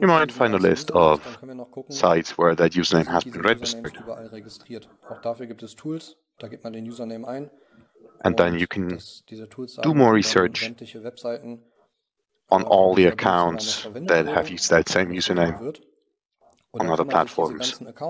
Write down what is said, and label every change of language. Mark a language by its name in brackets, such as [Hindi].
[English] you might find a list of sites where that username has been registered. [German] Überall registriert. Auch dafür gibt es Tools, da gibt man den Username ein. [English] And then you can do more research on all the accounts that have used that same username on other platforms.